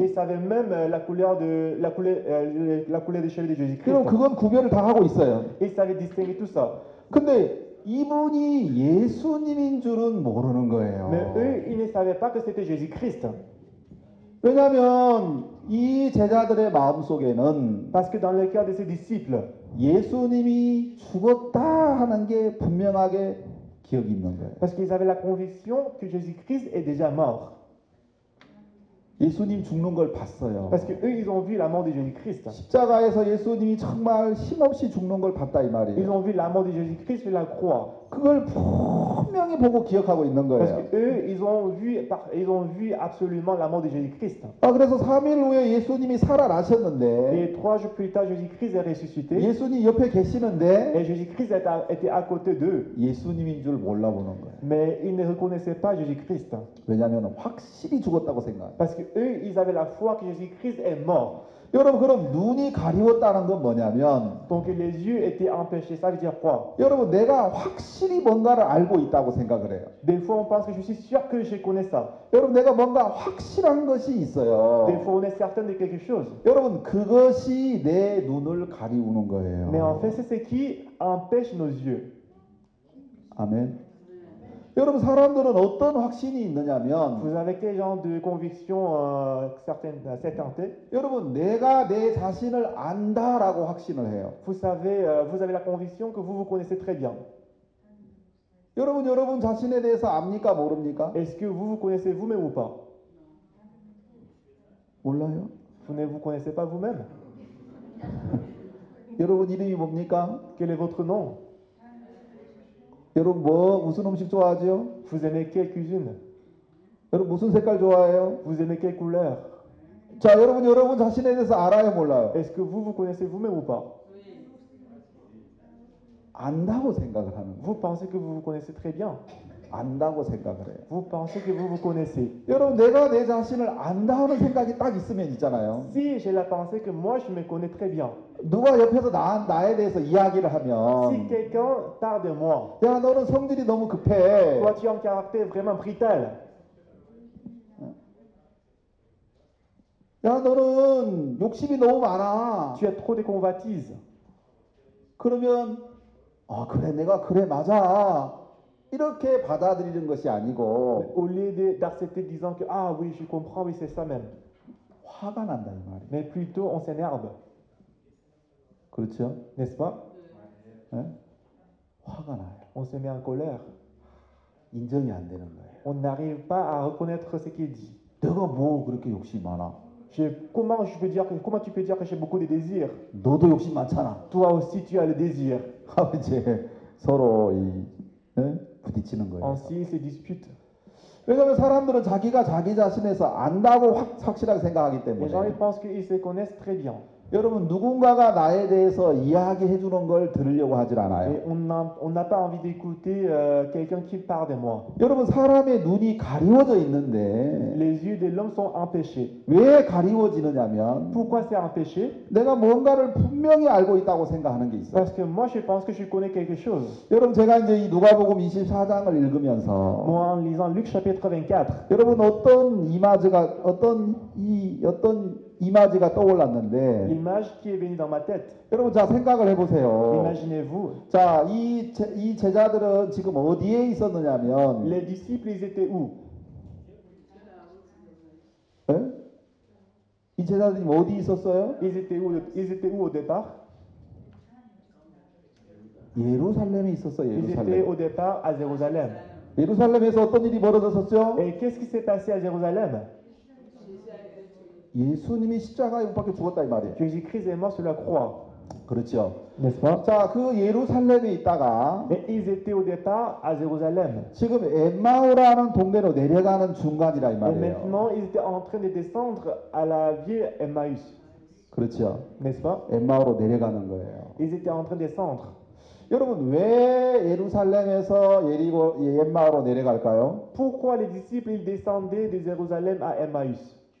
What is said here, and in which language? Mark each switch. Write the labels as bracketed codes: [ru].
[fr] Il savait même la couleur des cheveux de Jésus-Christ. [ko] 구별을 다 하고 있어요. [fr] Il savait distinguer tout ça. [ko] 근데 이분이 예수님인 줄은 모르는 거예요. [fr] Mais eux, ils ne savaient pas que c'était Jésus-Christ. [ko] 왜냐하면 이 제자들의 마음 속에는 [fr] Parce que dans le cœur de ses disciples, [ko] 예수님이 죽었다 하는 게 분명하게 기억이 있는 거예요. [fr] Parce qu'ils avaient la conviction que Jésus-Christ est déjà mort. [ko] 예수님 죽는 걸 봤어요. [fr] Parce que eux, ils ont vu la mort de Jésus-Christ. [ko] 십자가에서 예수님이 정말 힘없이 죽는 걸 봤다 이 말이에요. [fr] Ils ont vu la mort de Jésus-Christ sur la croix. [ko] 그걸 분명히 보고 기억하고 있는 거예요. [fr] Parce que eux, ils ont vu absolument la mort de Jésus-Christ. [ko] 아, 그래서 3일 후에 예수님이 살아나셨는데. [fr] Et trois jours plus tard, Jésus-Christ est ressuscité. [ko] 예수님 옆에 계시는데. [fr] Et Jésus-Christ était à côté d'eux. [ko] 예수님인 줄 몰라 보는 거예요. [fr] Mais ils ne reconnaissaient pas Jésus-Christ. [ko] 왜냐하면 확실히 죽었다고 생각. [fr] Parce que eux, ils avaient la foi que Jésus-Christ est mort. [ko] 여러분 그럼 눈이 가리웠다는 건 뭐냐면 [fr] Donc les yeux étaient empêchés, ça veut dire quoi? [ko] 여러분 내가 확실히 뭔가를 알고 있다고 생각을 해요. [fr] Des fois on pense que je suis sûr que je connais ça. [ko] 여러분 내가 뭔가 확실한 것이 있어요. [fr] Des fois on est certain de quelque chose. [ko] 여러분 그것이 내 눈을 가리우는 거예요. [fr] Mais en fait c'est ce qui empêche nos yeux. [ko] 아멘. 여러분 사람들은 어떤 확신이 있느냐면 [fr] Vous avez quel genre de conviction certaine? [ko] 여러분 내가 내 자신을 안다라고 확신을 해요. [fr] Vous avez la conviction que vous vous connaissez très bien. [ko] 여러분 자신에 대해서 압니까 모릅니까? [fr] Est-ce que vous vous connaissez vous-même ou pas? [ko] 몰라요. [fr] Vous ne vous connaissez pas vous-même? [ko] 여러분 이름이 뭡니까? [fr] Quel est votre nom? [ko] 여러분 뭐 무슨 음식 좋아하죠? [fr] Vous aimez quelle cuisine? [ko] 여러분 무슨 색깔 좋아해요? [fr] Vous aimez quelle couleur? [ko] 자, 여러분 자신에 대해서 알아요, 몰라요? [fr] Est-ce que vous vous connaissez vous-même ou pas? [ko] 안다고 생각을 하는. [fr] Vous pensez que vous vous connaissez très bien. [ko] 안다고 생각을 해요. [fr] Vous pensez que vous vous connaissez. [ko] 여러분 내가 내 자신을 안다는 생각이 딱 있으면 있잖아요. [fr] Si j'ai la pensée que moi je me connais très bien. [ko] 누가 옆에서 나에 대해서 이야기를 하면 [fr] Si quelqu'un parle de moi. [ko] 야, 너는 성질이 너무 급해. [fr] Toi tu as un caractère vraiment brutal. [ko] 야, 너는 욕심이 너무 많아. [fr] Tu as trop de convoitise. [ko] 그러면 아, 그래 내가 그래 맞아. 이렇게 받아들이는 것이 아니고 [fr] Au lieu d'accepter disant que ah oui, je comprends, oui, c'est ça même. [ko] 화가 난다 이 말이야. [fr] Mais plutôt on s'énerve. [ko] 그렇죠? [fr] N'est-ce pas? [ko] 네? 화가 나요. [fr] On se met en colère. [ko] 인정이 안 되는 거예요. [fr] On n'arrive pas à reconnaître ce qu'il dit. [ko] 내가 뭐 그렇게 욕심 많아? [fr] Comment tu peux dire que j'ai beaucoup de désirs? [ko] 너도 욕심 많잖아. [fr] Toi aussi tu as le désir. [ko] 이제 서로 이 네? 부딪히는 거예요. [fr] Ainsi se dispute. [ko] 왜냐하면 사람들은 자기가 자기 자신에서 안다고 확실하게 생각하기 때문에. [fr] Les gens pensent qu'ils se connaissent très bien. [ko] 여러분 누군가가 나에 대해서 이야기해 주는 걸 들으려고 하질 않아요. [fr] On n'a pas envie d'écouter quelqu'un qui parle de moi. [ko] 여러분 사람의 눈이 가리워져 있는데 [fr] Les yeux de l'homme sont empêchés. [ko] 왜 가리워지느냐면 [fr] Pourquoi c'est empêché? [ko] 내가 뭔가를 분명히 알고 있다고 생각하는 게 있어요. [fr] Parce que moi je pense que je connais quelque chose. [ko] 여러분 제가 이제 이 누가복음 24장을 읽으면서 [fr] Moi en lisant Luc chapitre 24. [ko] 여러분 어떤 이마지가 어떤 이미지가 떠올랐는데 [fr] Image qui est venue dans ma tête. [ko] 여러분 자 생각을 해보세요. [fr] Imaginez-vous. [ko] 자, 이 제자들은 지금 어디에 있었느냐면 [fr] Les disciples ils étaient où? [ko] 에? 이 제자들이 어디 있었어요? [fr] Ils étaient où au départ? [ko] 예루살렘에 있었어, 예루살렘. [fr] Ils étaient au départ à Jérusalem. [ko] 예루살렘에서 어떤 일이 벌어졌었죠? [fr] Et qu'est-ce qui s'est passé à Jérusalem? [ko] 예수님이 십자가에 못 박혀 죽었다 이 말이에요. [fr] Jésus-Christ est mort sur la croix. [ko] 그렇죠. [fr] N'est-ce pas? [ko] 자, 그 예루살렘에 있다가 [fr] Et ils étaient au départ à Jérusalem. [ko] 지금 엠마오라는 동네로 내려가는 중간이라 이 말이에요. [fr] Et maintenant, ils étaient en train de descendre à la ville Emmaüs. [ko] 그렇죠. [fr] N'est-ce pas? [ko] 엠마오로 내려가는 거예요. [fr] Ils étaient en train de descendre. [ko] 여러분 왜 예루살렘에서 예리고 엠마오로 내려갈까요? [fr] Pourquoi les disciples ils descendaient de Jérusalem à Emmaüs?